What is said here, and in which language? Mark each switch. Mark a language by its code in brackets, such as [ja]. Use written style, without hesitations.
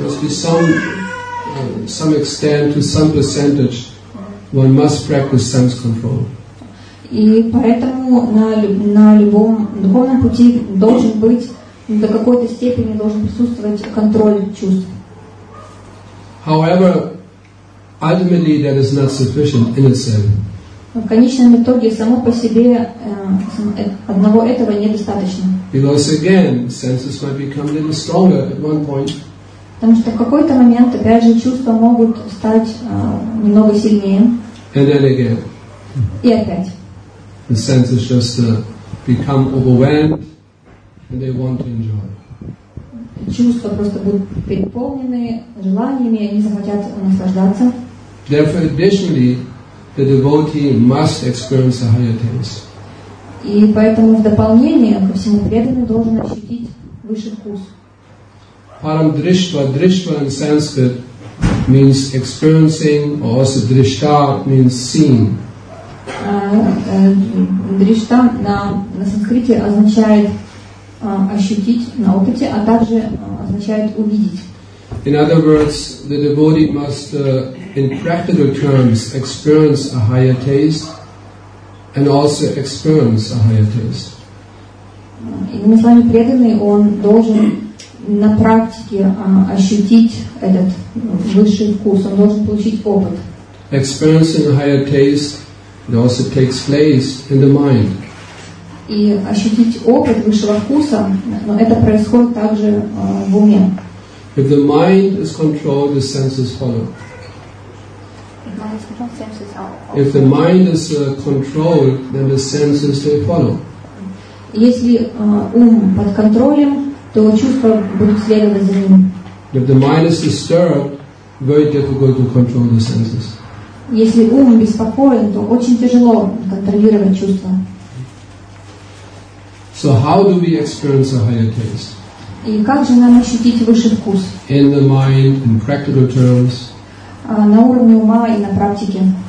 [en] must be some extent to some percentage. One must practice sense control. [ru] И поэтому на любом духовном пути должен быть до какой-то степени должен присутствовать контроль чувств. [en] However, ultimately, that is not sufficient in itself. [ru] В конечном итоге само по себе одного этого недостаточно. [en] Because again, senses might become a little stronger at one point. [ru] Потому что в какой-то момент опять же чувства могут стать немного сильнее. [en] And then again. [ru] И опять. [en] The senses just become overwhelmed, and they want to enjoy. [ru] Чувства просто будут переполнены желаниями, они захотят наслаждаться. [en] Therefore, additionally, the devotee must experience a higher taste. [ru] И поэтому в дополнение ко всему преданный должен ощутить высший вкус. [en] Param drishva, drishva in Sanskrit means experiencing, or also drishta means seeing. [ru] Drishta на санскрите означает ощутить на опыте, а также означает увидеть. [en] In other words, the devotee must, in practical terms, experience a higher taste and also experience a higher taste. [ru] Иными словами, преданный, он должен на практике ощутить этот высший вкус, он должен получить опыт. [en] Experiencing a higher taste, it also takes place in the mind. [ru] И ощутить опыт высшего вкуса, но это происходит также в уме. [en] If the mind is controlled, the senses follow. If the mind is controlled, then the senses they follow. [ru] Если ум под контролем, то чувства будут следовать за ним. [en] If the mind is disturbed, very difficult to control the senses. [ru] Если ум беспокоен, то очень тяжело контролировать чувства. [en] So how do we experience a higher taste? [ru] И как же нам ощутить высший вкус? [en] In the mind, in practical terms. [ru] На уровне ума и на практике.